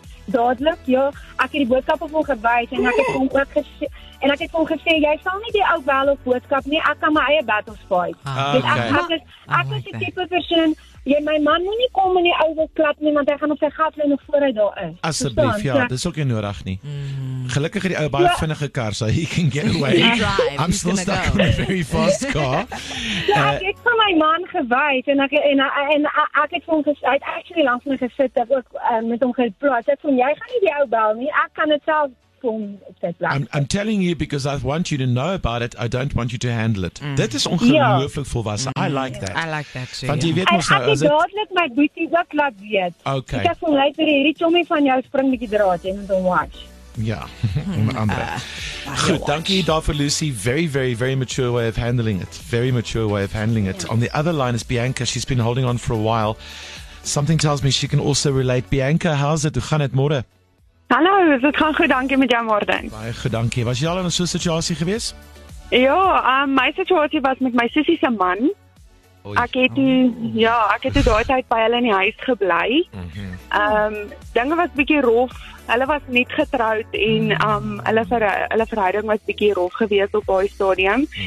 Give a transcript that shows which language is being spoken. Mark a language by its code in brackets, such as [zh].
[af] Dadelik, ja, ek het die boodskap op hom gewys en ek het hom gesê, jy sal nie die ou bel of boodskap nie, ek kan my eie battles fight. Ek is die type persoon, jy, my man moet nie kom in die ou klap nie, want hy gaan op sy gat lê nog voor hy daar is. Asseblief, ja, dis ook nie nodig nie. Gelukkig het die ou baie vinnige kar, so [en] he can get away. I'm still stuck in a very fast car. [af] Ek het van my man gewys en ek het vir hom gesê, hy het actually langs my gesit, ek ook met hom geplaas. Ek sê, jy gaan nie die ou bel nie, ek kan het self [en] I'm telling you because I want you to know about it. I don't want you to handle it. [af] Dit is ongelooflik volwassen. [en] I like that. I like that too. [af] Want jy weet mos nou, is dit? Ek het dadelik my boetie ook laat weet. Okay. Ek sal later vir hierdie chommie van jou spring bietjie draad en dan watch. [en] Yeah, goed, thank you, Dr. Lucy. Very, very, very mature way of handling it. Very mature way of handling it. On the other line is Bianca. She's been holding on for a while. Something tells me she can also relate. Bianca, how's it? [af] Hoe gaan dit môre? Hallo, dit gaan goed, dankie met jou, Morden. Baie gedankie. Was jy al in so 'n situasie gewees? Ja, my situasie was met my sussie se man. Ek het daai tyd by hulle in die huis gebly. Dinge was bietjie rof. Hulle was net getroud en hulle verhouding was bietjie rof geweest op daai stadium.